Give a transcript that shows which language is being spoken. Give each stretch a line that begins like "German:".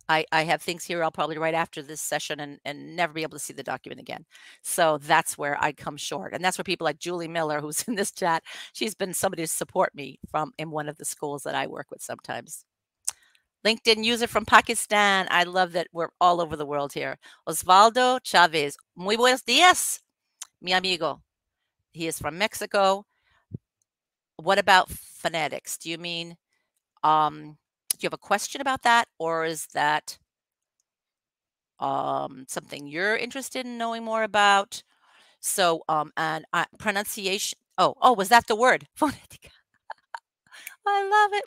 English: I have things here I'll probably write after this session and never be able to see the document again. So that's where I come short. And that's where people like Julie Miller, who's in this chat, she's been somebody to support me from in one of the schools that I work with sometimes. LinkedIn user from Pakistan. I love that we're all over the world here. Osvaldo Chavez.
Spanish: Muy buenos dias, mi amigo.
English: He is from Mexico. What about phonetics? Do you mean, do you have a question about that? Or is that something you're interested in knowing more about? So, pronunciation. Oh, was that the word? Phonetica. I love it.